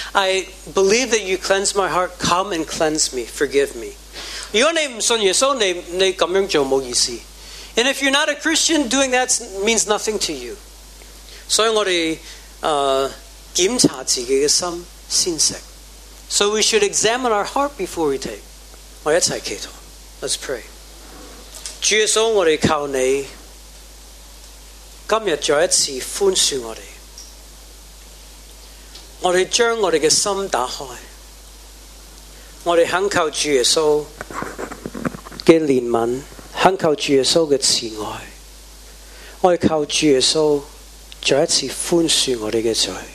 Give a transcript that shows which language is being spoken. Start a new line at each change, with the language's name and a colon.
English: I believe that you cleanse my heart. Come and cleanse me. Forgive me.
Chinese: 如果你不信耶稣，你这样做没意思。
English: And if you're not a Christian, doing that means nothing to you.
Chinese: 所以我们检查自己的心先吃。
English: So we should examine our heart before we take.
Chinese: 我一起祈祷。
English: Let's pray.
Chinese: 主耶稣，我们靠你今天再一次宽恕我们，我们将我们的心打开，我们恳求主耶稣的怜悯，恳求主耶稣的慈爱，我们靠主耶稣再一次宽恕我们的罪。